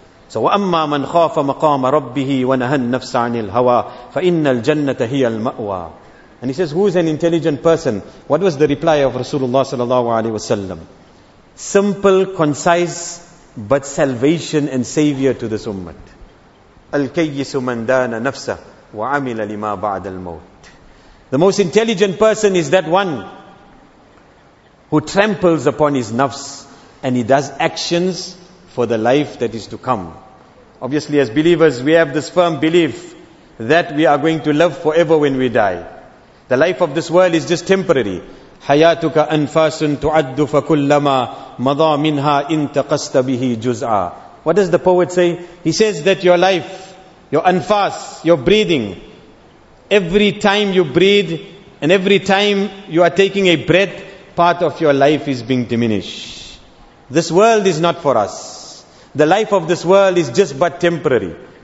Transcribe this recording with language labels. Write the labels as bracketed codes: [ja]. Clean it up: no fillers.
[ar] So وَأَمَّا مَنْ خَافَ مَقَامَ رَبِّهِ وَنَهَا النَّفْسَ عَنِ الْهَوَى فَإِنَّ الْجَنَّةَ هِيَ الْمَأْوَى. [en] And he says, who is an intelligent person? What was the reply of Rasulullah sallallahu alayhi wa sallam? Simple, concise, but salvation and savior to this ummah. [ar] الكيس من دان نفسه وعمل لما بعد الموت. [en] The most intelligent person is that one who tramples upon his nafs and he does actions for the life that is to come. Obviously, as believers, we have this firm belief that we are going to live forever when we die. The life of this world is just temporary. [ar] حياتك أنفاس تعد فكلما مضى منها انتقصت به جزءا. [en] What does the poet say? He says that your life, your anfas, your breathing, every time you breathe and every time you are taking a breath, part of your life is being diminished. This world is not for us. The life of this world is just but temporary.